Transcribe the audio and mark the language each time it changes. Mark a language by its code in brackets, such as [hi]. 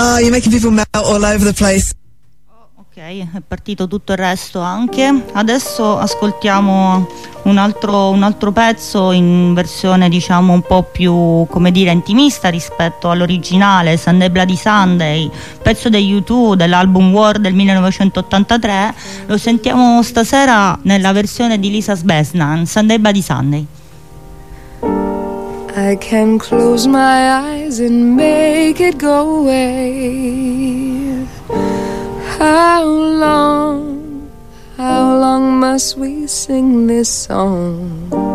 [en] Oh, you're making people melt all over the place. [it] Ok, è partito tutto il resto anche. Adesso ascoltiamo un altro pezzo in versione, diciamo, un po' più, come dire, intimista rispetto all'originale, Sunday Bloody Sunday, pezzo degli U2 dell'album War del 1983. Lo sentiamo stasera nella versione di Lisa Sbesnan, Sunday Bloody Sunday. [en] I can close my eyes and make it go away. How long must we sing this song?